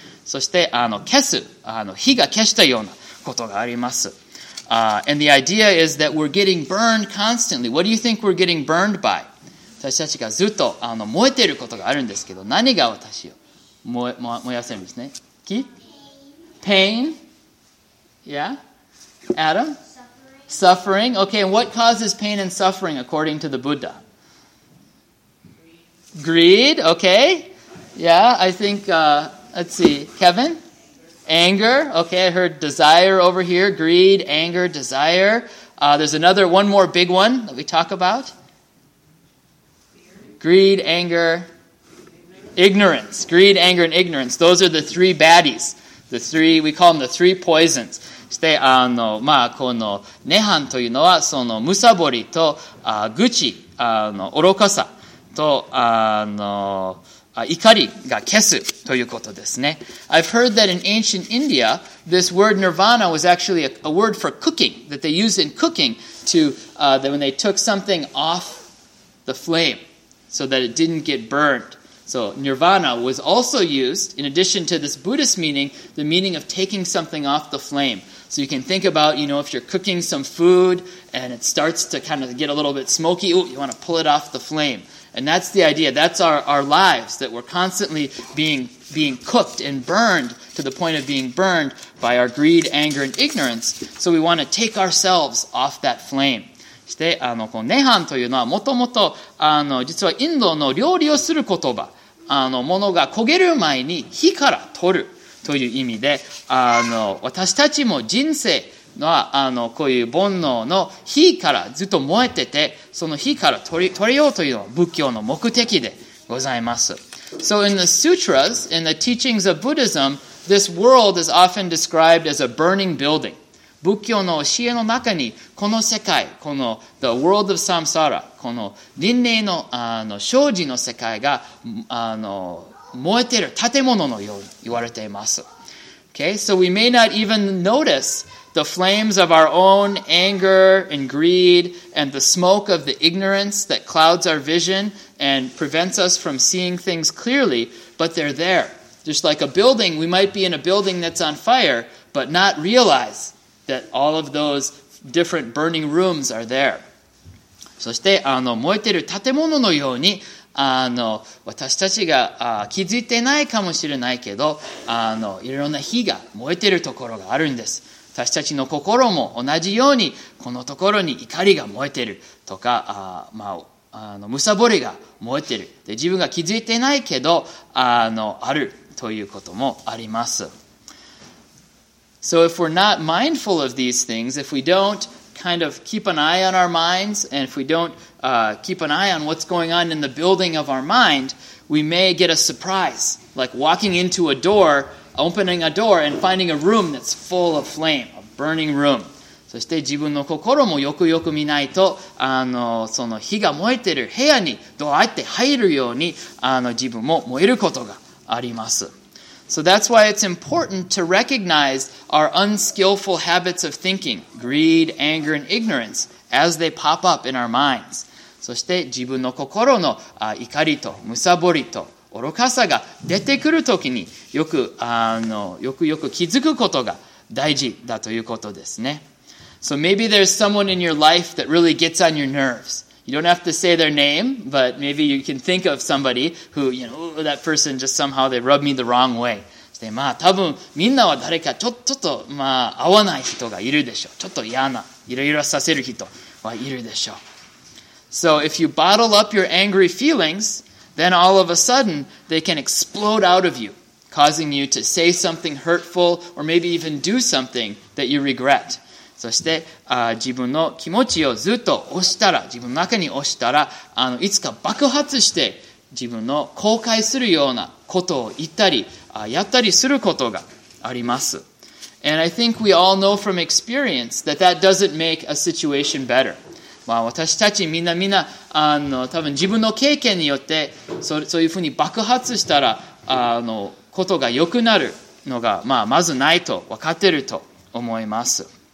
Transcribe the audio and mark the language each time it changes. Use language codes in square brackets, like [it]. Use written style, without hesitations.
[ja] そして消す、火が消したようなことがあります。 [en] And the idea is that we're getting burned constantly. What do you think we're getting burned by? [ja] 私たちがずっと燃えていることがあるんですけど、何が私を燃やせるんですね。木 [en] ?Pain? Yeah? Adam? Suffering? Okay, and what causes pain and suffering according to the Buddha? Greed? Okay? Yeah, I think, let's see, Kevin? Anger? Okay, I heard desire over here. Greed, anger, desire. There's another, one more big one that we talk about. Greed, anger, ignorance. Greed, anger, and ignorance. Those are the three baddies. The three, we call them the three poisons. [ja] そして、この、涅槃というのは、その、むさぼりと、愚痴、愚かさと、怒りが消すということですね。 [en] I've heard that in ancient India, this word nirvana was actually a word for cooking, that they used in cooking to, that when they took something off the flame. So that it didn't get burned. So nirvana was also used, in addition to this Buddhist meaning, the meaning of taking something off the flame. So you can think about, you know, if you're cooking some food and it starts to kind of get a little bit smoky, ooh, you want to pull it off the flame. And that's the idea. That's our lives, that we're constantly being cooked and burned to the point of being burned by our greed, anger, and ignorance. So we want to take ourselves off that flame. [ja] でこのネハンというのはもともと実はインドの料理をする言葉ものが焦げる前に火から取るという意味で私たちも人生はこういう煩悩の火からずっと燃えててその火から取れようというのは仏教の目的でございます。 [en] So in the sutras, in the teachings of Buddhism, this world is often described as a burning building. [ja] 仏教の教えの中にこの世界、この [en] The World of Samsara、 [ja] この輪廻の生死の世界が燃えている建物のように言われています。 [en] Okay, so we may not even notice the flames of our own anger and greed and the smoke of the ignorance that clouds our vision and prevents us from seeing things clearly, but they're there. Just like a building, we might be in a building that's on fire, but not realize. That all of those different burning rooms are there. [ja] そして燃えている建物のように私たちが気づいてないかもしれないけどいろんな火が燃えているところがあるんです。私たちの心も同じようにこのところに怒りが燃えているとかむさぼりが燃えているで自分が気づいてないけどあるということもあります。 [en] So if we're not mindful of these things, if we don't kind of keep an eye on our minds, and if we don't keep an eye on what's going on in the building of our mind, we may get a surprise, like walking into a door, opening a door, and finding a room that's full of flame, a burning room. [ja] そして自分の心もよくよく見ないと、その火が燃えてる部屋にどうやって入るように自分も燃えることがあります。 [en] So that's why it's important to recognize our unskillful habits of thinking, greed, anger, and ignorance, as they pop up in our minds. [ja] そして自分の心の怒りとむさぼりと愚かさが出てくるときによくよくよく気づくことが大事だということですね。 [en] So maybe there's someone in your life that really gets on your nerves. You don't have to say their name, but maybe you can think of somebody who, you know, that person just somehow they rub me the wrong way. [ja] で、まあ、多分みんなは誰かちょっと、まあ、合わない人がいるでしょう。ちょっと嫌な、イライラさせる人はいるでしょう。 [en] So if you bottle up your angry feelings, then all of a sudden they can explode out of you, causing you to say something hurtful or maybe even do something that you regret. [ja] そして自分の気持ちをずっと押したら自分の中に押したらいつか爆発して自分の後悔するようなことを言ったりやったりすることがあります。 [en] And I think we all know from experience that that doesn't make a situation better. [ja] まあ、私たちみんなみんな、多分自分の経験によってそういうふうに爆発したら、ことが良くなるのが、まあ、まずないと分かってると思います。